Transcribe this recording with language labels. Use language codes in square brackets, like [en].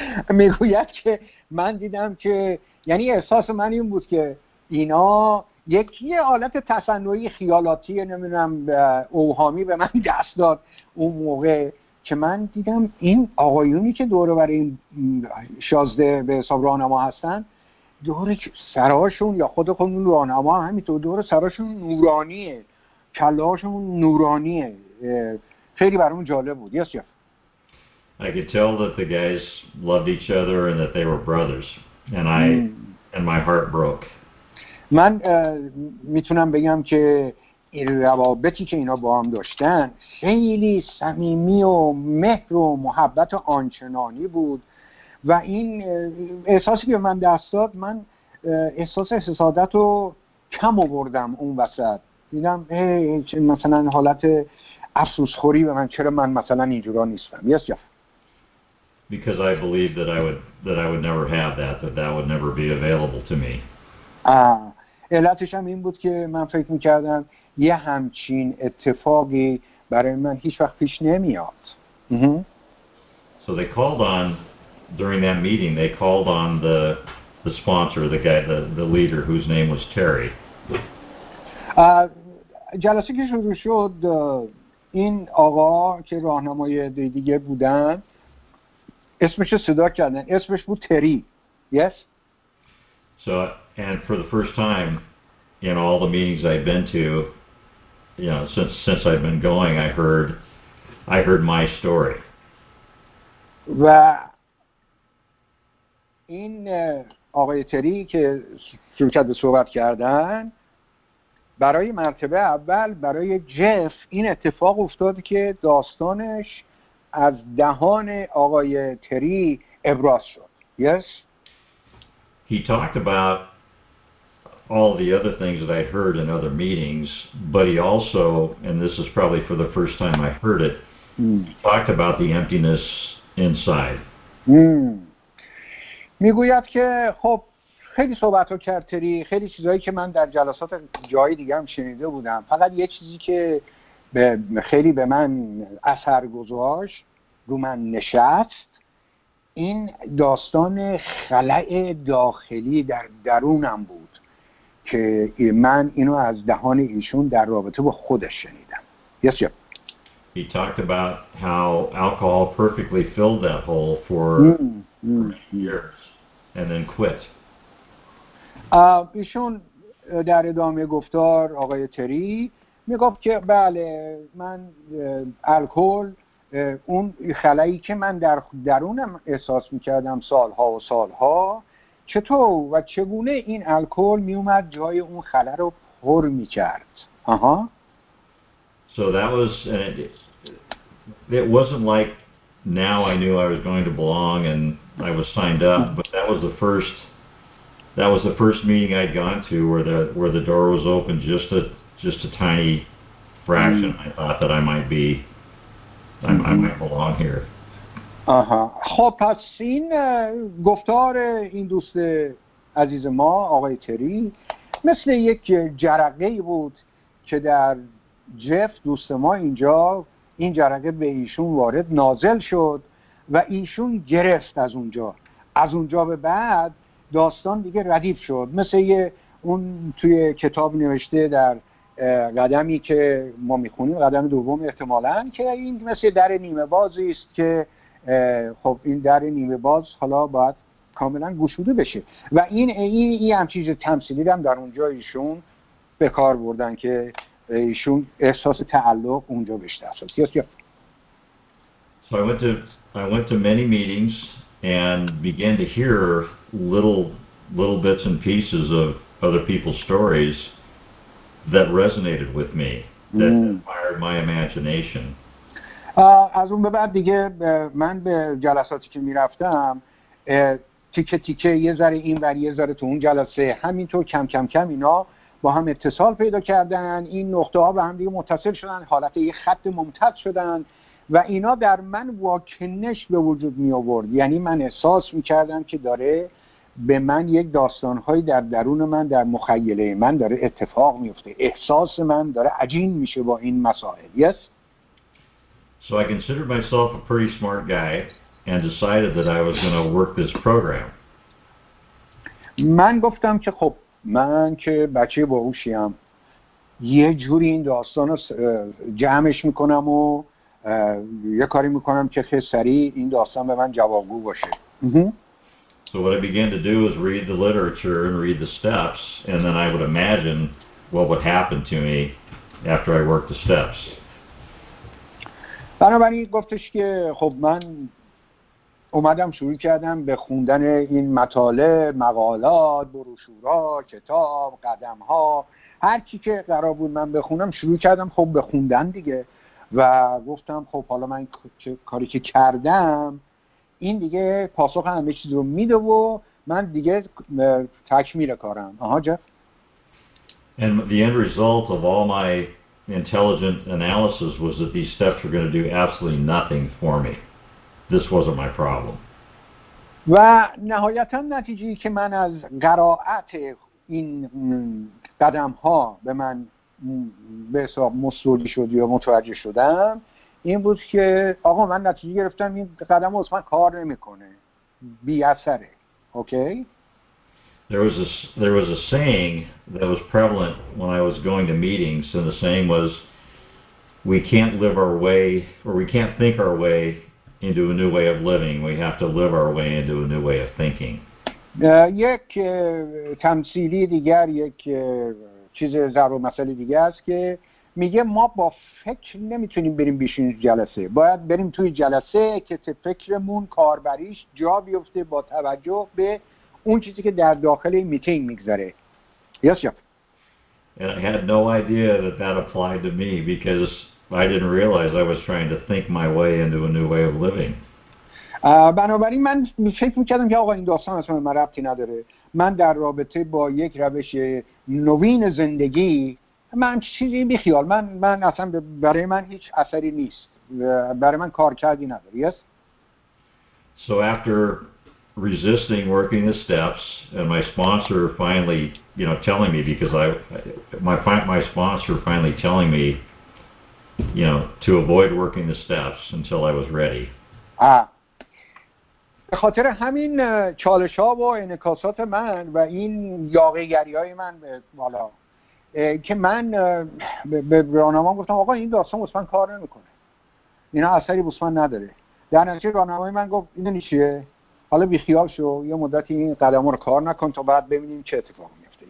[fa] میگوید که من دیدم که یعنی احساس من این بود که اینا یکی حالت تصنعی خیالاتی نمیدونم اوهامی به من دست داد اون موقع که من دیدم این آقایونی که دور بر این 16 به حساب راهنما هستن دور سراشون یا خود خودمون راهنما همینطور دور سراشون نورانیه، کلاهاشون نورانیه. خیلی برام جالب بود. [en] yes [fa] جف. [en] I could tell that the guys loved each other and that they were brothers and I and my heart broke. [fa] من میتونم بگم که این روابطی که اینا با هم داشتن خیلی صمیمی و مهر و محبت و آنچنانی بود و این احساسی که من دست داد، من احساس حسادت رو کم آوردم اون وسط. دیدم مثلا حالت افسوس خوری به من، چرا من مثلا اینجورا نیستم. [en] yes [fa] جان. [en] Because I believe that I would never have that would never be available to me. [fa] علتش هم این بود که من فکر میکردم یه همچین اتفاقی برای من هیچ وقت پیش نمیاد. [en] So they called on, during that meeting, they called on the sponsor, the guy, the leader, whose name was Terry. [fa] جلسه که شروع شد این آقا که راهنمای دیگه بودن اسمش رو صدا کردن، اسمش بود تری. [en] Yes. So and for the first time in all the meetings I've been to, you know, since I've been going, I heard my story. [fa] و این آقای تری که شروع کرد به صحبت کردن، برای مرتبه اول برای جف این اتفاق افتاد که داستانش از دهان آقای تری ابراز شد. [en] Yes. He talked about all the other things that I heard in other meetings, but he also, and this is probably for the first time I heard it, talked about the emptiness inside. [fa] میگوید که خب خیلی صحبت رو کرد تری، خیلی چیزهایی که من در جلسات جایی دیگه هم شنیده بودم، فقط یه چیزی که خیلی به من اثر گذاشت، رو من نشست، این داستان خلأ داخلی در درونم بود که من اینو از دهان ایشون در رابطه با خودش شنیدم. [en] Yes, yeah. He talked about how alcohol perfectly filled that hole for years and then quit. [fa] ایشون در ادامه گفتار، آقای تری میگفت که بله، من الکل اون خلایی که من در درونم احساس میکردم سالها و سالها، چطور و چگونه این الکل میومد جای اون خلا رو پر میکرد. آها. [en] So that was, and it wasn't like now I knew I was going to belong and I was signed up, but that was the first meeting I'd gone to where the door was open just a tiny fraction. I thought that I might belong here. آها. [fa] خب پس این گفتار این دوست عزیز ما آقای تری مثل یک جرقه بود که در جف دوست ما اینجا این جرقه به ایشون وارد نازل شد و ایشون گرفت از اونجا. از اونجا به بعد داستان دیگه ردیف شد، مثل یه اون توی کتاب نوشته در قدمی که ما میخونیم، قدم دوم احتمالاً، که این مثل در نیمه بازی است که خب این در نیمه باز حالا باید کاملا گشوده بشه و این همچیز تمثیلی هم در اونجا ایشون به کار بردن که ایشون احساس تعلق اونجا بشه. So I went to many meetings and began to hear little bits and pieces of other people's stories that resonated with me, that inspired my imagination. از اون به بعد دیگه من به جلساتی که میرفتم تیکه تیکه یه ذره این ور یه ذره تو اون جلسه، همینطور کم کم کم اینا با هم اتصال پیدا کردن، این نقطه ها به هم دیگه متصل شدن، حالت یه خط ممتد شدن و اینا در من واکنش به وجود می آورد. یعنی من احساس می کردم که داره به من یک داستانهایی در درون من، در مخیله من داره اتفاق می افته، احساس من داره عجین میشه با این مسائل. [en] Yes. So I considered myself a pretty smart guy and decided that I was going to work this program. [fa] من گفتم که خب من که بچه باهوشیم، یه جوری این داستان رو جمعش میکنم و یه کاری میکنم که خیلی سریع این داستان به من جوابگو باشه. [en] So what I began to do was read the literature and read the steps, and then I would imagine what would happen to me after I worked the steps. [fa] بنابراین گفتش که خب من اومدم شروع کردم به خوندن این مطالب، مقالات، بروشورا، کتاب، قدم‌ها، هر چی که قرار بود من بخونم شروع کردم خب به خوندن دیگه و گفتم خب حالا من کاری که کردم این دیگه پاسخ همه چیز رو میده و من دیگه تکمیل کارم. آها جف. [en] And the end result of all my intelligent analysis was that these steps were going to do absolutely nothing for me. This wasn't my problem. [fa] و نهایتا نتیجه‌ای که من از قرائت این قدم‌ها به من به حساب مصولی شد یا متوجه شدم این بود که آقا من نتیجه گرفتم این قدم ها اصلا کار نمی‌کنه. بی اثره. اوکی؟ [en] There was a saying that was prevalent when I was going to meetings, and the saying was, we can't live our way, or we can't think our way into a new way of living. We have to live our way into a new way of thinking. [fa] یک تمثیلی دیگر، یک چیز ضرب و مثلی دیگر است که میگه ما با فکر نمیتونیم بریم بیشین جلسه. باید بریم توی جلسه که فکرمون کاربریش جا بیفته با توجه به اون چیزی که در داخل این میتینگ میگذره. [en] Yes, yep. And I had no idea that that applied to me because I didn't realize I was trying to think my way into a new way of living. [fa] بنابراین من فکر میکردم که آقا این داستان اصلا من ربطی نداره. من در رابطه با یک روش نوین زندگی من چیزی بیخیال. من اصلا برای من هیچ اثری نیست. برای من کار کردی نداره. [en] Yes? So after resisting working the steps and my sponsor finally, you know, telling me because my sponsor finally telling me, you know, to avoid working the steps until I was ready. [fa] به خاطر همین چالش ها و انعکاسات من و این یاقه گری های من بالا که من به راهنما گفتم آقا این داستان اصلا کار نمیکنه. اینا اثری اصلا نداره. در نتیجه راهنمای من گفت این چیه؟ حالا بی خیال شو یه مدتی این قدم رو کار نکن تا بعد ببینیم چه اتفاق میفته.